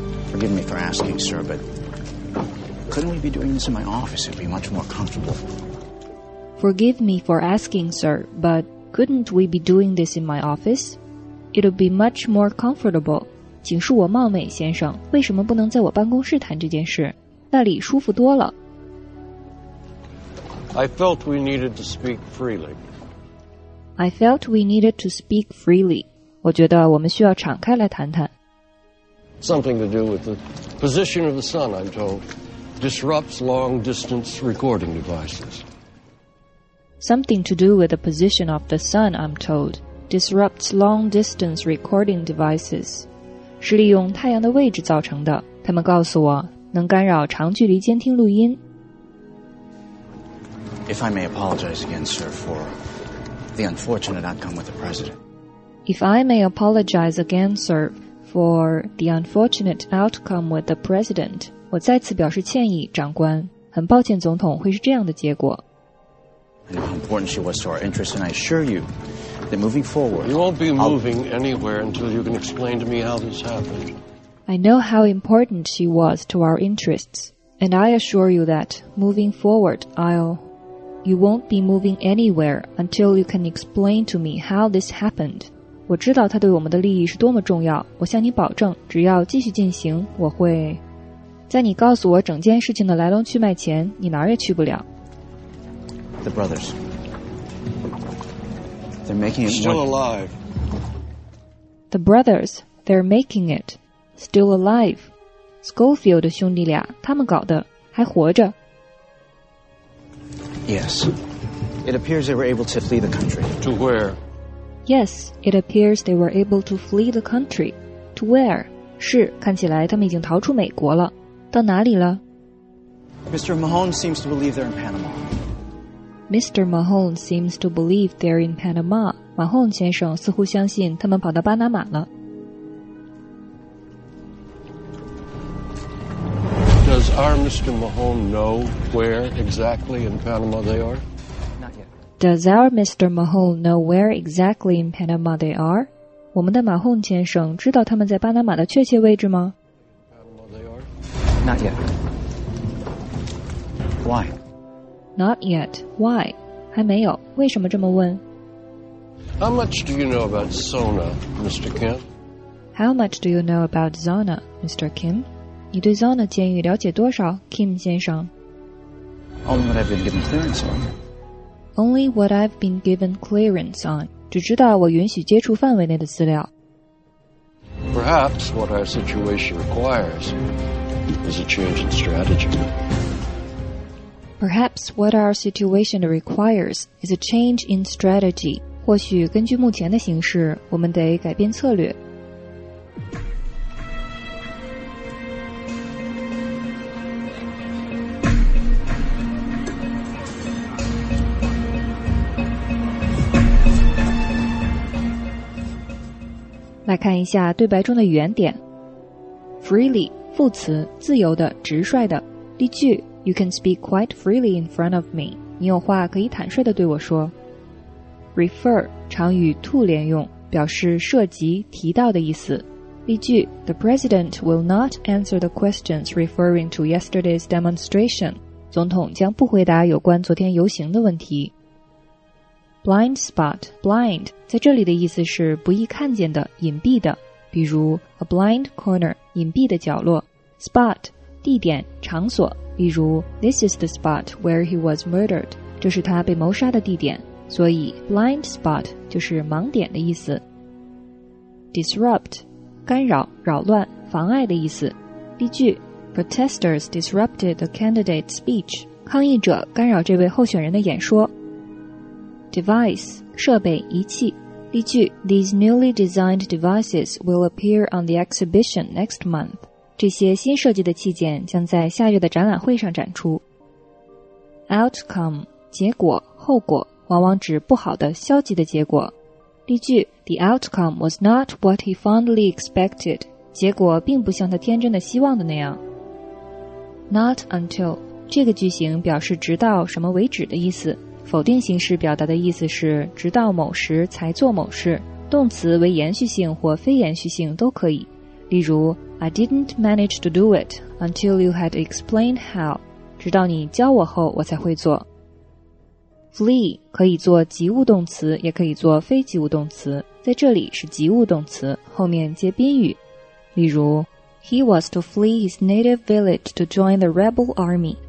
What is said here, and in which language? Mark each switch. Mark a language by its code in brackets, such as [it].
[en] Forgive me for asking, sir, but couldn't we be doing this in my office? It'd be much more comfortable. Forgive me for asking, sir, but couldn't we be doing this in my office? It'd be much more comfortable. [zh] 请恕我冒昧，先生，为什么不能在我办公室谈这件事？那里舒服多了。 [en] I felt we needed to speak freely. [zh] 我觉得我们需要敞开来谈谈。 [en] Something to do with the position of the sun, I'm told, disrupts long-distance recording devices. Something to do with the position of the sun, I'm told, disrupts long-distance recording devices. [zh] 是利用太阳的位置造成的，他们告诉我能干扰长距离监听录音。 [en] If I may apologize again, sir, for the unfortunate outcome with the president. If I may apologize again, sir, for the unfortunate outcome with the president. [zh] 我再次表示歉意，长官，很抱歉总统会是这样的结果。 [en] I know how important she was to our interests, and I assure youMoving forward, you won't be moving anywhere until you can explain to me how this happened. I know how important she was to our interests, and I assure you that moving forward, you won't be moving anywhere until you can explain to me how this happened. [zh] 我知道她对我们的利益是多么重要，我向你保证，只要继续进行，我会在你告诉我整件事情的来龙去脉前，你哪儿也去不了。 [en] The brothers. They're making it still alive. The brothers, they're making it still alive. [zh] Schofield 兄弟俩，他们搞的还活着。 [en] Yes, it appears they were able to flee the country. To where? Yes, it appears they were able to flee the country. To where? [zh] 是，看起来他们已经逃出美国了。到哪里了？ [en] Mr. Mahone seems to believe they're in Panama. Mr. Mahone seems to believe they're in Panama. [zh] Mahone 先生似乎相信他们跑到巴拿马了。 [en] Does our Mr. Mahone know where exactly in Panama they are? Not yet. Does our Mr. Mahone know where exactly in Panama they are? [zh] 我们的 Mahone 先生知道他们在巴拿马的确切位置吗？ [en] Not yet. Why? Not yet. Why? [zh] 还没有。为什么这么问？ [en] How much do you know about Zona, Mr. Kim? How much do you know about Zona, Mr. [zh] Kim? 你对 Zona 监狱了解多少 ,Kim 先生？ [en] Only what I've been given clearance on. Only what I've been given clearance on. [zh] 只知道我允许接触范围内的资料。 [en] Perhaps what our situation requires is a change in strategy. Perhaps what our situation requires is a change in strategy. [zh] 或许根据目前的形势，我们得改变策略。来看一下对白中的语言点。 Freely, 副词，自由的，直率的。例句， [en] You can speak quite freely in front of me. [zh] 你有话可以坦率地对我说。 Refer, 常与 to 连用，表示涉及，提到的意思。例句， [en] The president will not answer the questions referring to yesterday's demonstration. [zh] 总统将不回答有关昨天游行的问题。 Blind spot, blind, 在这里的意思是不易看见的，隐蔽的，比如 [en] a blind corner, [zh] 隐蔽的角落。 Spot, 地点，场所，比如 [en] this is the spot where he was murdered, [zh] 这是他被谋杀的地点，所以 blind spot 就是盲点的意思。 Disrupt, 干扰，扰乱，妨碍的意思。例句， [en] Protesters disrupted the candidate's speech, [zh] 抗议者干扰这位候选人的演说。 Device, 设备，仪器。例句， [en] These newly designed devices will appear on the exhibition next month. [zh] 这些新设计的器件将在下月的展览会上展出。 Outcome, 结果，后果，往往指不好的，消极的结果。例句， [en] The outcome was not what he fondly expected. [zh] 结果并不像他天真的希望的那样。Not until, 这个句型表示直到什么为止的意思。否定形式表达的意思是直到某时才做某事，动词为延续性或非延续性都可以。例如 [en] I didn't manage to do it until you had explained how. [zh] 直到你教我后我才会做。Flee 可以做及物动词，也可以做非及物动词，在这里是及物动词，后面接宾语。例如 [en] He was to flee his native village to join the rebel army.